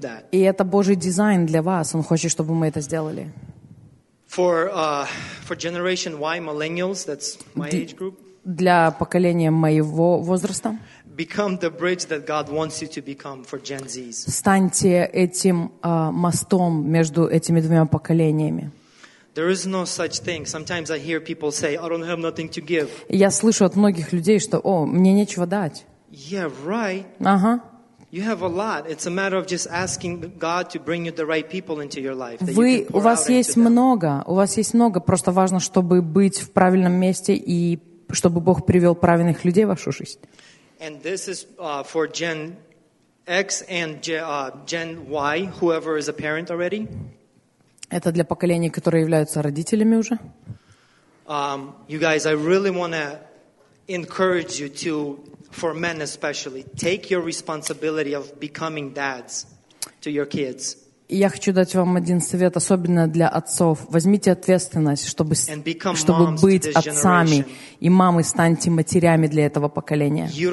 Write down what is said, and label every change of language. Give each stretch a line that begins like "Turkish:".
Russian: И это Божий дизайн для вас. Он хочет, чтобы мы это сделали.
English: For generation Y, millennials, that's my age group.
Russian: Для поколения моего возраста.
English: Become the bridge that God wants you to become for Gen Z's.
Russian: Станьте этим мостом между этими двумя поколениями.
English: There is no such thing. Sometimes I hear people say, "I don't have nothing to give."
Russian: Я слышу от многих людей, что, о, мне нечего дать.
English: Yeah, right.
Russian: Ага.
English: You have a lot. It's a matter of just asking God to bring you the right people into your life.
Russian: Вы, у вас есть много. У вас есть много. Просто важно, чтобы быть в правильном месте и чтобы Бог привел правильных людей в вашу жизнь.
English: And this is for Gen X and Gen Y, whoever is a parent already.
Russian: Это для поколений, которые являются родителями уже.
English: You guys, I really want to encourage you to, for men especially, take your responsibility of becoming dads to your kids.
Russian: Я хочу дать вам один совет, особенно для отцов. Возьмите ответственность, чтобы быть отцами. И мамы, станьте матерями для этого поколения.